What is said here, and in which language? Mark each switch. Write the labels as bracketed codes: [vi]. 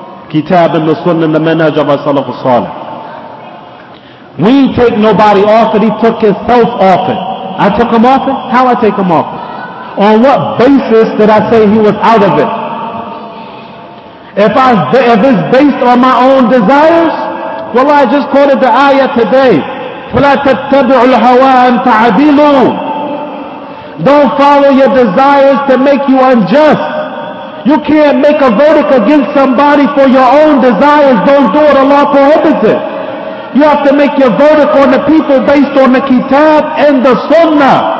[en] Kitab and the Sunnah and the manhaj of our Salaf al-Salih. We ain't take nobody off it. He took himself off it. I took him off it? How I take him off it? On what basis did I say he was out of it? If it's based on my own desires, well, I just quoted the ayah today. [ar] فلا تتبعوا الهوى أن تعدلوا. [en] Don't follow your desires to make you unjust. You can't make a verdict against somebody for your own desires. Don't do it. Allah prohibits it. You have to make your verdict on the people based on the kitab and the sunnah.